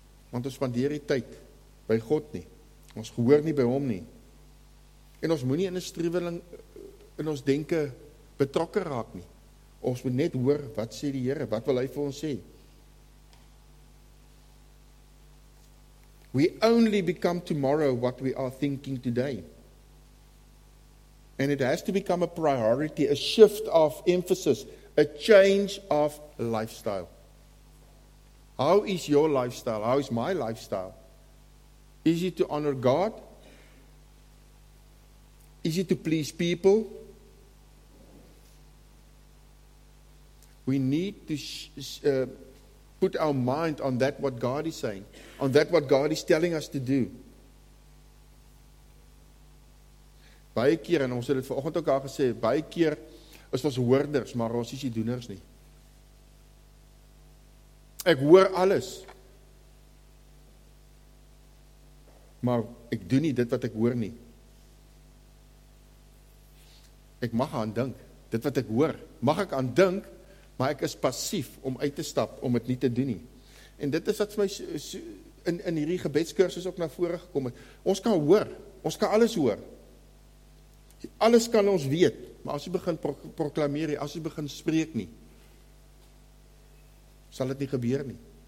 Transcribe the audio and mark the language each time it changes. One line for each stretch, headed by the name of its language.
Afrikaans: Want ons spandeer die tyd by God nie. Ons gehoor nie by hom nie. En ons moenie in 'n streweling in ons denke betrokke raak nie. Ons moet net hoor, wat sê die Here, wat wil hy vir ons sê?
English: We only become tomorrow what we are thinking today. And it has to become a priority, a shift of emphasis, a change of lifestyle. How is your lifestyle? How is my lifestyle? Is it to honor God? Is it to please people? We need to put our mind on that what God is saying, on that what God is telling us to do.
Afrikaans: Baie keer, en ons het vanoggend ook al gesê, baie keer is ons hoorders, maar ons is die doeners nie. Ek hoor alles, maar ek doe nie dit wat ek hoor nie. Ek mag aan dink, dit wat ek hoor, mag ek aan dink, maar ek is passief om uit te stap, om het nie te doen nie. En dit is wat my in hierdie gebedskursus ook na vore gekom het. Ons kan hoor, ons kan alles hoor. Alles kan ons weet, maar as jy begin proklameer, as jy begin spreek nie, sal dit nie gebeur nie.